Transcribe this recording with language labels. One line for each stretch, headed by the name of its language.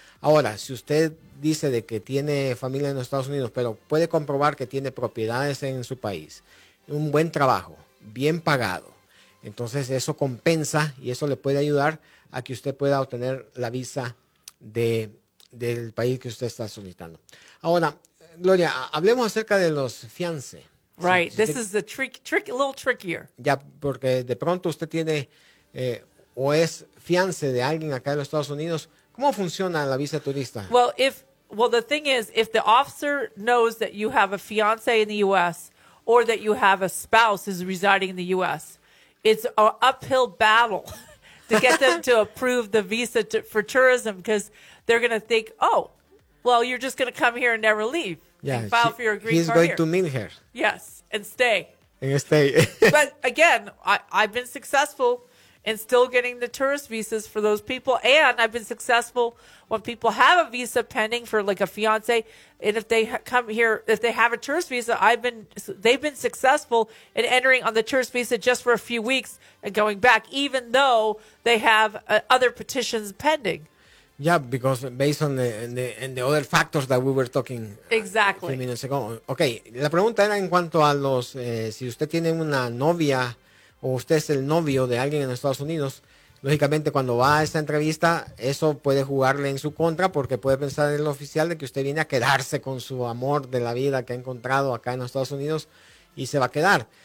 Spanish: Ahora, si usted dice de que tiene familia en los Estados Unidos, pero puede comprobar que tiene propiedades en su país, un buen trabajo, bien pagado, entonces eso compensa y eso le puede ayudar a que usted pueda obtener la visa del país que usted está solicitando. Ahora, Gloria, hablemos acerca de los fiancé.
English: Right, si, this usted, is a trick, a little trickier.
Spanish: Ya, porque de pronto usted tiene o es fiancé de alguien acá en los Estados Unidos. ¿Cómo funciona la visa turista?
English: Well, the thing is, if the officer knows that you have a fiance in the U.S. or that you have a spouse who's residing in the U.S., it's an uphill battle to get them to approve the visa for tourism because they're going to think, oh, well, you're just going to come here and never leave. Yeah, file for your green card. He's going here. To meet her. Yes, and stay. And stay. But again, I've been successful and still getting the tourist visas for those people. And I've been successful when people have a visa pending for like a fiance. And if they come here, if they have a tourist visa, they've been successful in entering on the tourist visa just for a few weeks and going back, even though they have other petitions pending. Yeah, because based on the other factors that we were talking exactly a few minutes ago.
Spanish: Okay, la pregunta era en cuanto a los, si usted tiene una novia o usted es el novio de alguien en Estados Unidos, lógicamente cuando va a esa entrevista, eso puede jugarle en su contra porque puede pensar el oficial de que usted viene a quedarse con su amor de la vida que ha encontrado acá en los Estados Unidos y se va a quedar.